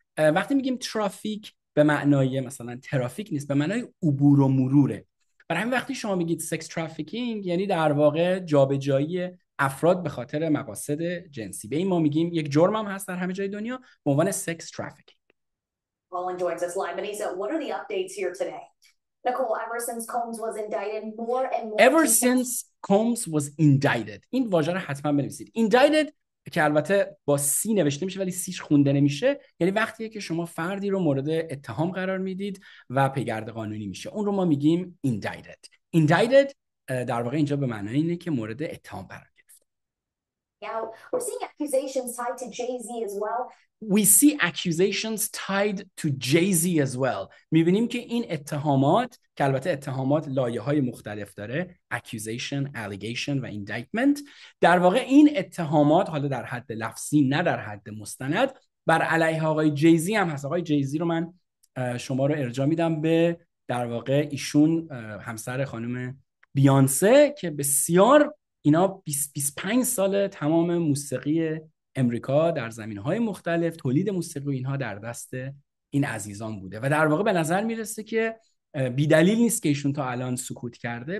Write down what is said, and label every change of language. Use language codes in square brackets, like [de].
[fa] وقتی میگیم ترافیک به معنای مثلا ترافیک نیست, به معنای عبور و مروره. برای همین وقتی شما میگید [en] sex trafficking [fa] یعنی در واقع جابجایی افراد به خاطر مقاصد جنسی. به این ما میگیم یک جرم هم هست در همه جای دنیا به عنوان [en] sex trafficking. Colin joins us live, and he said, "What are the updates here today, Nicole? Ever since Combs was indicted, more and more." Ever since Combs was indicted, [fa] این واژه رو حتما بنویسید. Indicted که البته با سی نوشته میشه ولی سیش خونده نمیشه. یعنی وقتیه که شما فردی رو مورد اتهام قرار میدید و پیگرد قانونی میشه. اون رو ما میگیم indicted. Indicted در واقع اینجا به معنای اینه که مورد اتهام قرار گرفت. [en] Now we're seeing accusations tied to Jay-Z as well. We see accusations tied to Jay-Z as well. [fa] میبینیم که این اتهامات که البته اتهامات لایه‌های مختلف داره, accusation, allegation و indictment, در واقع این اتهامات حالا در حد لفظی نه در حد مستند بر علیه آقای جیزی هم هست. آقای جیزی رو من شما رو ارجاع میدم به در واقع ایشون همسر خانم بیانسه که بسیار اینا 25 سال تمام موسیقی امریکا در زمین‌های مختلف تولید موسیقی و اینها در دست این عزیزان بوده و در واقع به نظر میرسه که بی دلیل نیست که ایشون تا الان سکوت کرده.